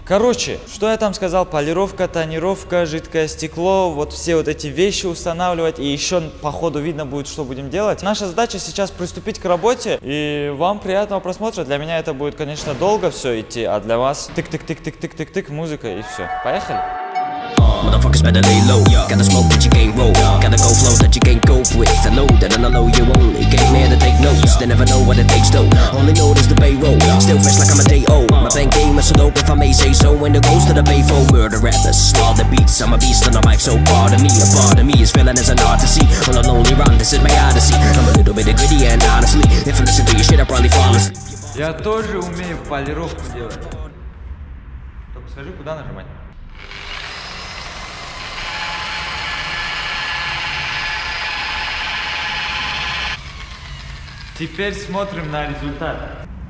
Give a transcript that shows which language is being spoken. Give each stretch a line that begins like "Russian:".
Russian: Короче, что я там сказал, полировка, тонировка, жидкое стекло, вот все вот эти вещи устанавливать и еще по ходу видно будет, что будем делать. Наша задача сейчас приступить к работе и вам приятного просмотра. Для меня это будет, конечно, долго все идти, а для вас тык-тык-тык-тык-тык-тык-тык, музыка и все. Поехали!
English: Motherfuckers better lay low, yeah. Gotta smoke but you can't roll, yeah. Gotta go flow that you can't cope with. I know that on a low you only gave me to take notes, yeah. They never know what it takes though, yeah. Only know there's the payroll, yeah. Still fresh like I'm a day old, My bank game is so dope if I may say so. When it goes to the bay for murder rappers, slaughter the beats, I'm a beast on a mic. So pardon me, a part of me is feeling as an art to see. On a lonely run, this is my odyssey. I'm a little bit of gritty and honestly, if I listen to your shit I'll probably fall asleep.
Russian: Я тоже умею полировку делать. Только скажи, куда нажимать? Теперь смотрим на результат.